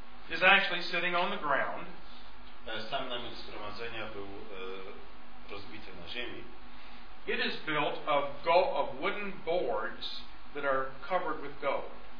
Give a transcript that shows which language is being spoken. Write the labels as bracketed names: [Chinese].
[English] is actually sitting on the ground. [Polish] Sam namiot zgromadzenia był rozbity na ziemi. [English] It is built of wooden boards that are covered with gold.